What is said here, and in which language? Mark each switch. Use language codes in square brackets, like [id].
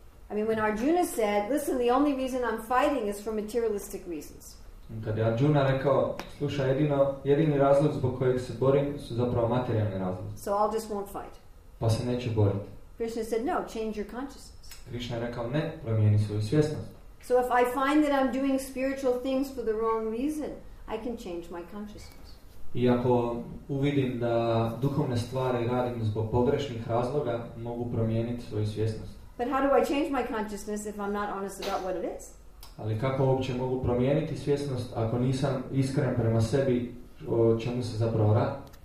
[en] I mean, when Arjuna said, listen, the only reason I'm fighting is for materialistic reasons. [hr] Kad je Arjuna rekao, slušaj, jedini razlog zbog kojeg se borim su zapravo materijalni razlog. [en] So I'll just won't fight. [hr] Pa se neću boriti. [en] Krishna said, no, change your consciousness. [hr] Krishna je rekao, ne, promijeni svoju svjesnost. [en] So if I find that I'm doing spiritual things for the wrong reason, I can change my consciousness. [hr] I ako uvidim da duhovne stvari radim zbog pogrešnih razloga, mogu promijeniti svoju svjesnost. [en] But how do I change my consciousness if I'm not honest about what it is? [hr] Ali kako uopće mogu promijeniti svjesnost ako nisam iskren prema sebi o čemu se zapravo radi?